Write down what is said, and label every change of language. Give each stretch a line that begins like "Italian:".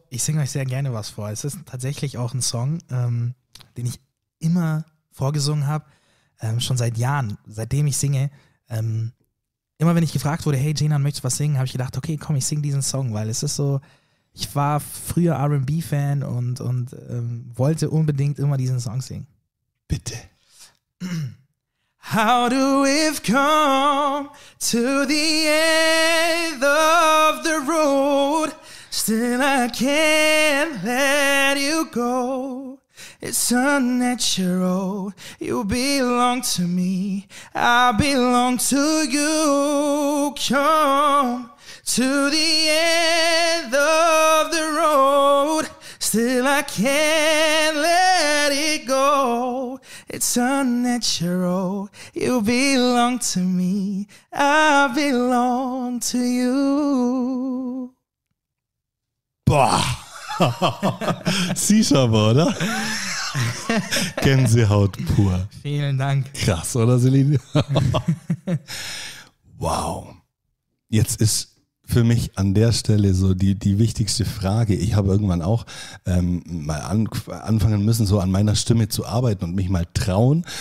German: Ich singe euch sehr gerne was vor. Es ist tatsächlich auch ein Song, den ich immer vorgesungen habe, schon seit Jahren, seitdem ich singe. Immer wenn ich gefragt wurde, hey Cenan, möchtest du was singen, habe ich gedacht, okay, komm, ich singe diesen Song, weil es ist so. Ich war früher R&B-Fan und wollte unbedingt immer diesen Song singen. Bitte.
English: How do we come to the end of the road? Still I can't let you go. It's unnatural. You belong to me. I belong to you. Come to the end of the road, still I can't let it go. It's unnatural, you belong to me, I belong to you.
German: Boah, siehst du aber, oder? Gänsehaut pur. Vielen Dank. Krass, oder, Selin? Wow. Jetzt ist für mich an der Stelle so die wichtigste Frage. Ich habe irgendwann auch anfangen müssen, so an meiner Stimme zu arbeiten und mich mal trauen.